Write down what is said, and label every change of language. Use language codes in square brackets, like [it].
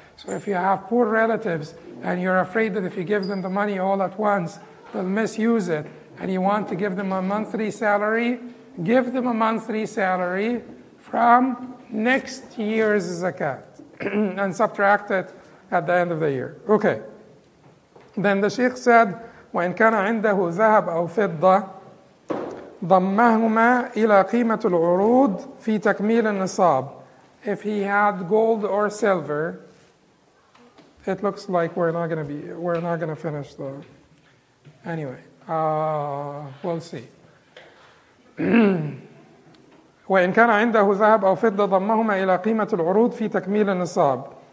[en] So if you have poor relatives and you're afraid that if you give them the money all at once, they'll misuse it, and you want to give them a monthly salary, give them a monthly salary from next year's zakat and subtract it at the end of the year. Okay. Then the sheikh said, [ar] وَإِنْ كَانَ عِنْدَهُ ذَهَبْ أَوْ فِضَّةِ ضَمَّهُمَا إِلَىٰ قِيمَةُ الْعُرُودِ فِي تَكْمِيلِ النِّصَابِ. [en] If he had gold or silver, it looks like we're not gonna finish the. Anyway, we'll see. [ar] وَإِنْ كَانَ عِنْدَهُ ذَهَبْ أَوْ فِضَّةِ ضَمَّهُمَا إِلَىٰ قِيمَةِ الْعُرُودِ فِي تَكْمِيلِ النِّصَابِ.